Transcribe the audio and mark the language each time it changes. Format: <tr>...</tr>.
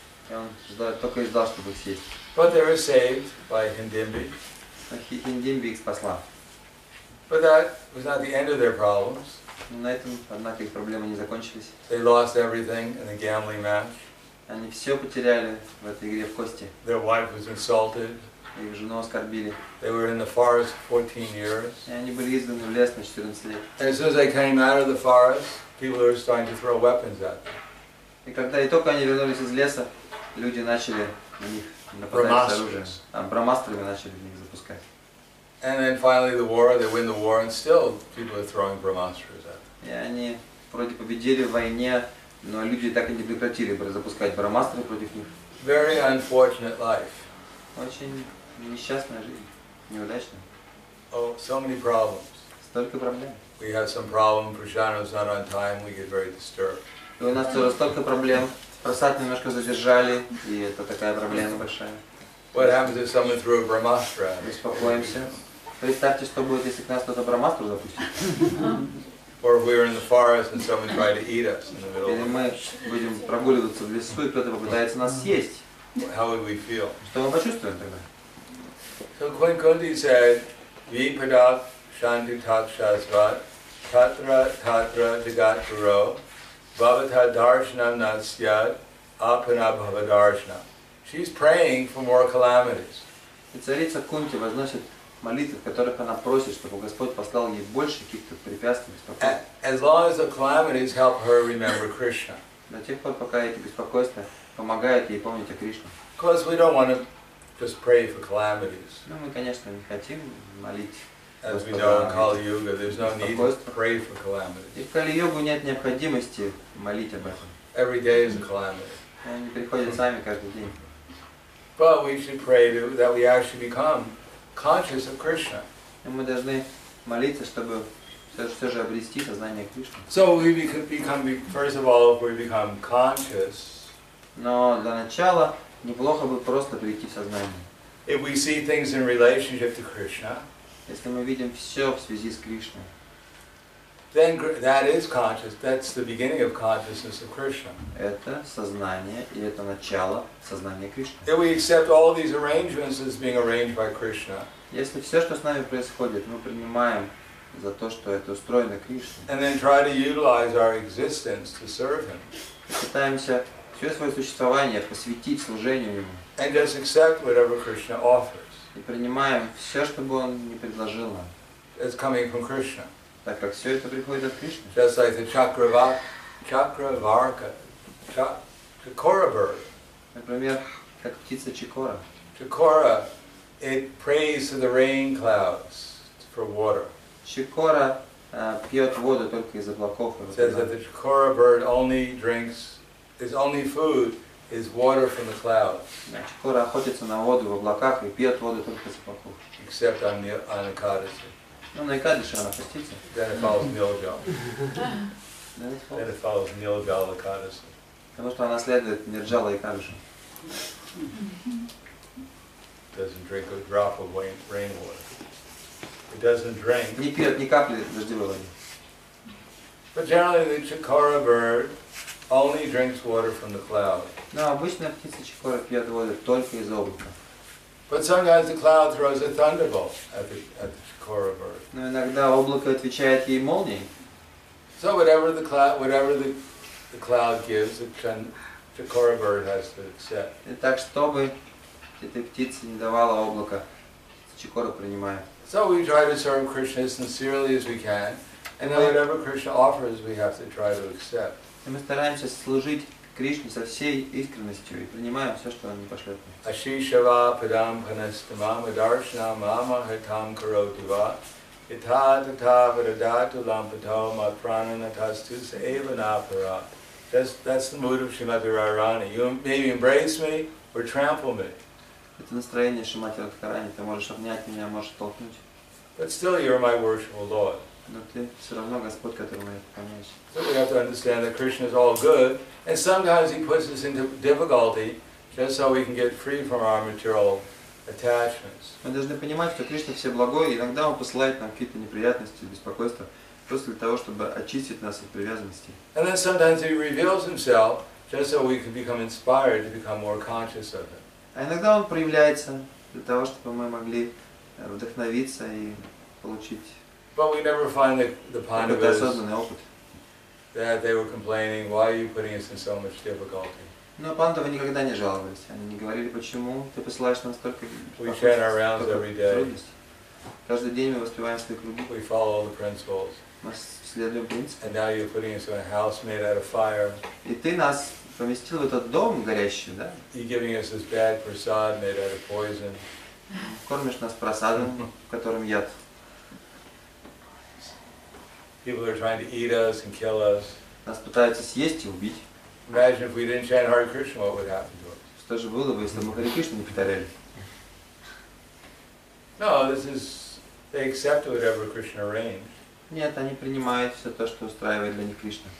<ru>Он только ждал, чтобы съесть.</ru> <en>But they were saved by Hindimbi.</en> <ru>Hindimbi их спасла.</ru> <en>But that was not the end of their problems.</en> <ru>На этом, однако, их проблемы не закончились.</ru> <en>They lost everything in the gambling match.</en> <ru>Они все потеряли в этой игре в кости.</ru> <en>Their wife was insulted.</en> <ru>Их жену оскорбили.</ru> <en>They were in the forest 14 years.</en> <ru>И они были изгнаны в лес на 14 лет.</ru> <en>And as soon as they came out of the forest, people were starting to throw weapons at them.</en> <ru>И когда и только они вернулись из леса, люди начали на них нападать с оружием. Брамастрами начали в них запускать.</ru> <en>And then finally the war, they win the war, and still people are throwing brahmastras at them.</en> <ru>Yeah, они вроде победили в войне, но люди так и не прекратили запускать брамастры против них.</ru> <en>Very unfortunate life.</en> <ru>Очень несчастная жизнь, неудачная.</ru> <en>Oh, so many problems.</en> <ru>Столько проблем.</ru> <en>We have some problem. Prasanna's not on time. We get very disturbed.</en> <ru>У нас тоже столько проблем. Просад немножко задержали, и это такая проблема большая.</ru> <en>What happens if someone threw a brahmastra?</en> <ru>Беспокоимся. Представьте, что будет, если к нас кто-то брамастру запустит.</ru> <en>Or if we were in the forest and someone tried to eat us in the middle.</en> <ru>Или мы будем прогуливаться в лесу и кто-то попытается нас съесть.</ru> <en>How would we feel?</en> <ru>Что мы почувствуем тогда?</ru> <en>So Queen Kunti said,</en> <sa>Vipadak Shanti Takshasvat Tatra Tatra Jagatguru Bhavata Darshanam Nasyat Apana Bhavadarshanam.</sa> <en>She's praying for more calamities.</en> <ru>И царица Кунти возносит молитвы, в которых она просит, чтобы Господь послал ей больше каких-то препятствий, беспокойств.</ru> <en>As long as the calamities help her remember Krishna.</en> <ru>До тех пор, пока эти беспокойства помогают ей помнить о Кришне.</ru> <en>Because we don't want to just pray for calamities.</en> <ru>Ну, мы, конечно, не хотим молить.</ru> <en>As we know in Kali Yuga, there's no need to pray for calamities.</en> <ru>И в Кали-йогу нет необходимости молить об этом.</ru> <en>Every day is a calamity.</en> <ru>Они приходят сами каждый день.</ru> <en>But we should pray that we actually become conscious of Krishna.</en> <ru>И мы должны молиться, чтобы все же обрести сознание Кришны.</ru> <en>So we become, first of all, if we become conscious.</en> <ru>Но для начала неплохо бы просто прийти в сознание.</ru> <en>If we see things in relationship to Krishna.</en> <ru>Если мы видим все в связи с Кришной.</ru> <en>then that is consciousness. That's the beginning of consciousness of Krishna. If we accept all these arrangements as being arranged by Krishna,</en> <ru>если все, что с нами происходит, мы принимаем за то, что это устроено Кришной,</ru> <en>and then try to utilize our existence to serve Him.</en> <ru>Пытаемся все свое существование посвятить служению Ему.</ru> <en>And just accept whatever Krishna offers.</en> <ru>И принимаем все, что бы Он ни предложил нам.</ru> <en>It's coming from Krishna.</en> <ru>Так как все это приходит от Кришны.</ru> <en>Just like the Chakravarta, Chakora bird.</en> <ru>Например, как птица Чикора.</ru> <en>Chikora, it prays to the rain clouds for water.</en> <ru>Чикора пьет воду только из облаков.</ru> <en>It says that the Chikora bird only drinks, his only food is water from the clouds.</en> <ru>Чикора охотится на воду в облаках и пьет воду только из облаков.</ru> <en>Except on the Anakadasi.</en> <ru>Ну, на Экадыше она постится.</ru> <en>Then it follows Nilgal. Then it follows Nilgal Экадыше.</en> <ru>Потому что она следует Нирджала Экадыше.</ru> <en>Doesn't drink a drop of rainwater. It doesn't drink.</en> <ru>Не пьет ни капли дождевой воды.</ru> <en>But generally the Chikora bird only drinks water from the cloud.</en> <ru>Но обычно птица Чикора пьет воду только из облака.</ru> <en>But sometimes the cloud throws a thunderbolt at the Chikora bird.</en> <ru>Но иногда облако отвечает ей молнией.</ru> <en>So whatever the cloud, whatever the cloud gives, the Chikora bird has to accept.</en> <ru>И так чтобы этой птице не давало облако, Чикора принимает.</ru> <en>So we try to serve Krishna as sincerely as we can, and then whatever Krishna offers, we have to try to accept.</en> <ru>И мы стараемся служить Кришне со всей искренностью и принимаем все, что Он нам пошлет.</ru> <sa>Ашишава падам панастамама даршнам мама хатам каротива ита тата варадату лампатау матпрананатасту сейванапара.</sa> <en>That's the mood of Shrimati Radharani. You maybe embrace me or trample me.</en> <ru>Это настроение Шримати Радхарани. Ты можешь обнять меня, можешь толкнуть.</ru> <en>But still you're my worshipful Lord.</en> <ru>Но ты все равно Господь, которому я поклоняюсь.</ru> <en>So we have to understand that Krishna is all good, and sometimes He puts us into difficulty just so we can get free from our material attachments.</en> <ru>Мы должны понимать, что Кришна все благой, и иногда Он посылает нам какие-то неприятности, беспокойства, просто для того, чтобы очистить нас от привязанностей.</ru> <en>And then sometimes He reveals Himself just so we can become inspired to become more conscious of Him.</en> <ru>А иногда Он проявляется для того, чтобы мы могли вдохновиться и получить.</ru> <en>But we never find the Pandavas that they were complaining, why are you putting us in so much difficulty?</en> <ru>Но Пандавы никогда не жаловались. Они не говорили, почему ты посылаешь нам столько трудностей.</ru> <en>We chant our rounds every day.</en> <ru>Каждый день мы воспеваем свои круги.</ru> <en>We follow all the principles.</en> <ru>Мы следуем принципам.</ru> <en>And now you're putting us in a house made out of fire.</en> <ru>И ты нас поместил в этот дом горящий, да?</ru> <en>You're giving us this bad prasad made out of poison.</en> <ru>Кормишь нас прасадом, в котором яд.</ru> <en>People are trying to eat us and kill us.</en> <ru>Нас пытаются съесть и убить.</ru> <en>Imagine if we didn't chant Hare Krishna, what would happen to us?</en> <ru>Что же было бы, если мы Харе Кришну не повторяли?</ru> <en>No, this is they accept whatever Krishna arranged.</en> <ru>Нет, они принимают все то, что устраивает для них Кришна.</ru>